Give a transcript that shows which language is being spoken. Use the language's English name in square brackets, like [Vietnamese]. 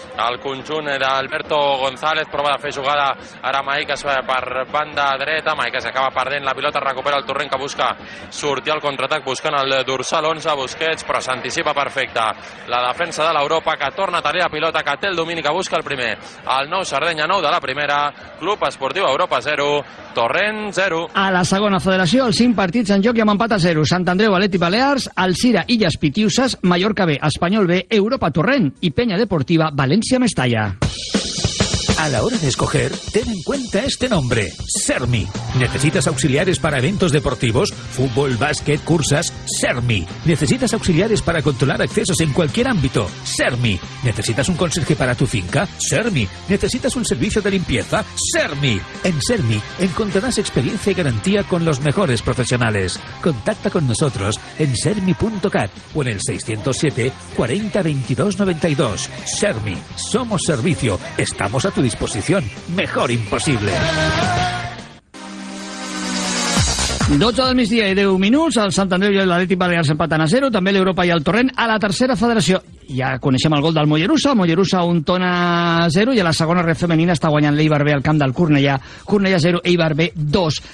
[Catalan] al conjunt d'Alberto González, prova de fer jugada ara Maikers per banda dreta, mai que s'acaba perdent la pilota, recupera el Torrent, que busca sortir al contraatac buscant el dorsal 11, Busquets, però s'anticipa perfecte la defensa de l'Europa, que torna a tenir la pilota, que té el domini, que busca el primer, el Nou Sardenya 9 de la primera, Club Esportiu Europa 0, Torrent 0. A la segona federació, els 5 partits en joc i amb empat a 0, Sant Andreu, Atlètic Balears, Alcira, Illes Pitiuses, Mallorca B, Espanyol B, Europa Torrent i Penya Deportiva València Mestalla. [Spanish] A la hora de escoger, ten en cuenta este nombre, CERMI. ¿Necesitas auxiliares para eventos deportivos, fútbol, básquet, cursas? CERMI. ¿Necesitas auxiliares para controlar accesos en cualquier ámbito? CERMI. ¿Necesitas un conserje para tu finca? CERMI. ¿Necesitas un servicio de limpieza? CERMI. En CERMI encontrarás experiencia y garantía con los mejores profesionales. Contacta con nosotros en CERMI.cat o en el 607 40 22 92. CERMI. Somos servicio. Estamos a tu disposición. Mejor imposible. [Catalan] 12 del migdia i 10 minuts, el Sant Andreu i l'Atlètic Balears empaten a 0, també l'Europa i el Torrent a la tercera federació. Ja coneixem el gol del Mollerussa, Mollerussa un Tona 0, i a la segona red femenina està guanyant l'Eibar B al camp del Cornellà, Cornellà 0, Eibar B 2.